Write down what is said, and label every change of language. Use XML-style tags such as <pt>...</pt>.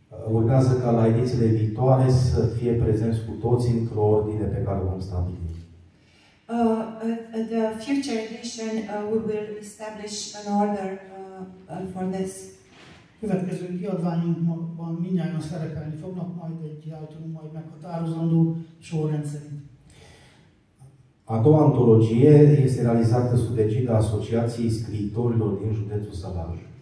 <ro>Urmează ca la edițiile viitoare să fie prezenți cu toți într-o ordine pe care vom stabili.</ro> <en>The future edition we will establish an order for this.</en> <hu>Következő kiadványunkban mindjárt szerepelni fognak, majd egy általunk majd meghatározandó sorrendszerint.</hu> <ro>A doua antologie este realizată sub egida Asociației Scriitorilor din Județul Salaj.</ro>